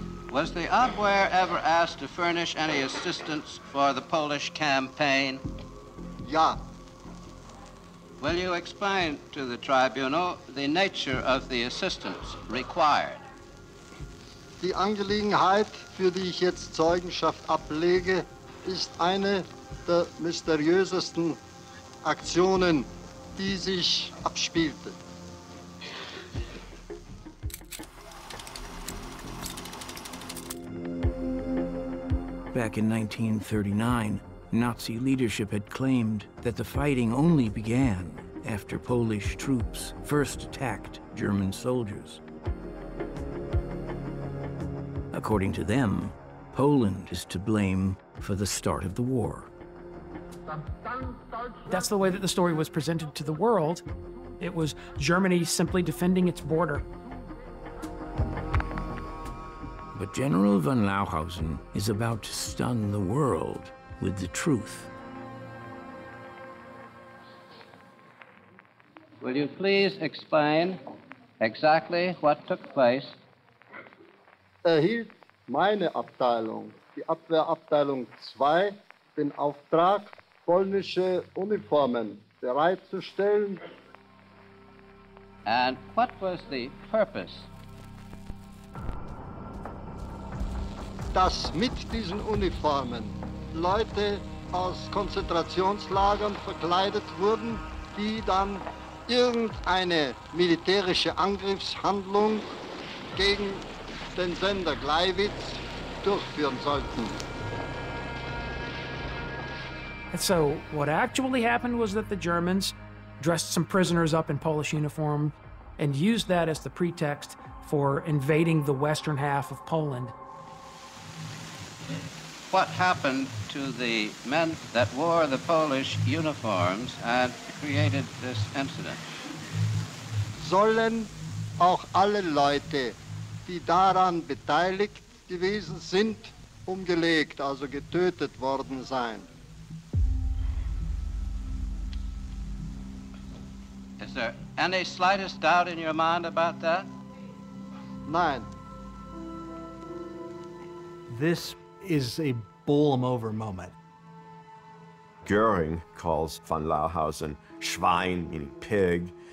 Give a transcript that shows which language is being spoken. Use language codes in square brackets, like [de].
[en] Was the Abwehr ever asked to furnish any assistance for the Polish campaign? Yeah. Will you explain to the tribunal the nature of the assistance required? [de] Die Angelegenheit, für die ich jetzt Zeugenschaft ablege, ist eine der mysteriösesten Aktionen, die sich abspielte. [en] Back in 1939, Nazi leadership had claimed that the fighting only began after Polish troops first attacked German soldiers. According to them, Poland is to blame for the start of the war. That's the way that the story was presented to the world. It was Germany simply defending its border. But General von Lauhausen is about to stun the world with the truth. Will you please explain exactly what took place? [de] Erhielt meine Abteilung, die Abwehrabteilung 2, den Auftrag, polnische Uniformen bereitzustellen. [en] And what was the purpose? [de] Dass mit diesen Uniformen Leute aus Konzentrationslagern verkleidet wurden, die dann irgendeine militärische Angriffshandlung gegen den Sender Gleiwitz durchführen sollten. [en] And so what actually happened was that the Germans dressed some prisoners up in Polish uniform and used that as the pretext for invading the western half of Poland. What happened to the men that wore the Polish uniforms and created this incident? [de] Sollen auch alle Leute, die daran beteiligt gewesen sind, umgelegt, also getötet worden sein? [en] Is there any slightest doubt in your mind about that? [de] Nein. [en] This is a bowl 'em over moment. Göring calls von Lauhausen Schwein, meaning pig.